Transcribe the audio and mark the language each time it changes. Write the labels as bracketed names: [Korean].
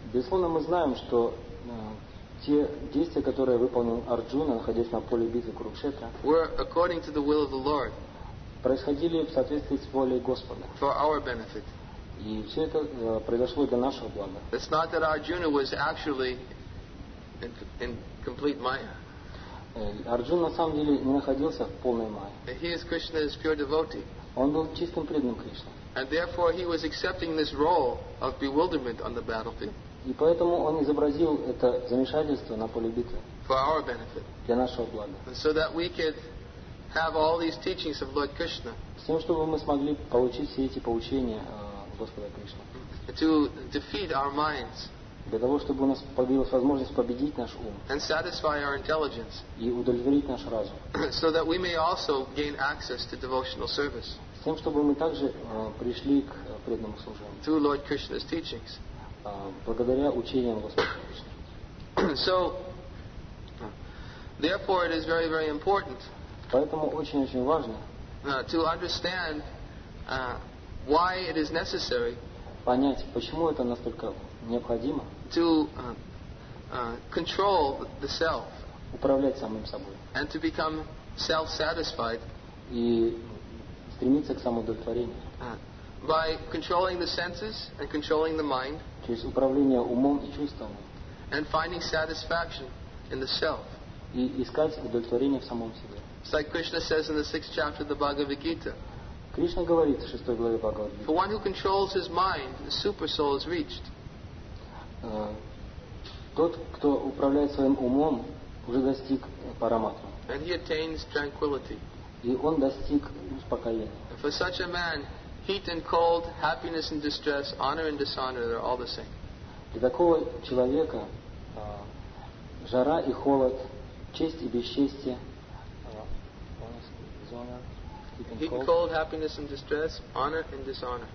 [Russian] Безусловно, мы знаем, что те действия, которые выполнил Арджуна, находясь на поле битвы Курукшетра, [English] were according to the will of the Lord. [Russian] Происходили в соответствии с волей Господа. [English] For our benefit. [Russian] И все это произошло для нашего блага. [English] It's not that Arjuna was actually in complete Maya. [Russian] Арджун на самом деле не находился в полной Майе. [English] He is Krishna's pure devotee. [Russian] Он был чистым преданным Кришне. [English] And therefore he was accepting this role of bewilderment on the battlefield. [Russian] И поэтому он изобразил это замешательство на поле битвы. [English] For our benefit. [Russian] Для нашего блага. [English] So that we could have all these teachings of Lord Krishna. [Russian] С тем, чтобы мы смогли получить все эти поучения Господа Кришны. [English] To defeat our minds. [Russian] Для того, чтобы у нас появилась возможность победить наш ум. [English] And satisfy our intelligence. [Russian] И удовлетворить наш разум. [English] So that we may also gain access to devotional service. [Russian] С тем, чтобы мы также пришли к преданному служению. [English] Through Lord Krishna's teachings. [Russian] Благодаря учениям Господа Кришны. [English] So, therefore, it is very, very important. [Russian] Поэтому очень-очень важно. [English] To understand why it is necessary. [Russian] Понять, почему это настолько необходимо. [English] To control the self. [Russian] Управлять самим собой. [English] And to become self-satisfied. [Russian] И стремиться к самоудовлетворению. [English] By controlling the senses and controlling the mind. [Russian] Через управление умом и чувствами. [English] And finding satisfaction in the self. [Russian] И искать удовлетворение в самом себе. [English] It's like Krishna says in the 6th chapter of the Bhagavad Gita. [Russian] Кришна говорит в 6 главе Бхагавад Гиты. [English] For one who controls his mind, the super soul is reached. [Russian] Тот, кто управляет своим умом, уже достиг параматмы. [English] And he attains tranquility. [Russian] И он достиг успокоения. [English] And for such a man, heat and cold, happiness and distress, honor and dishonor, they're all the same. [Russian] Для такого человека жара и холод, честь и бесчестие. [English] Heat and cold, happiness and distress, honor and dishonor.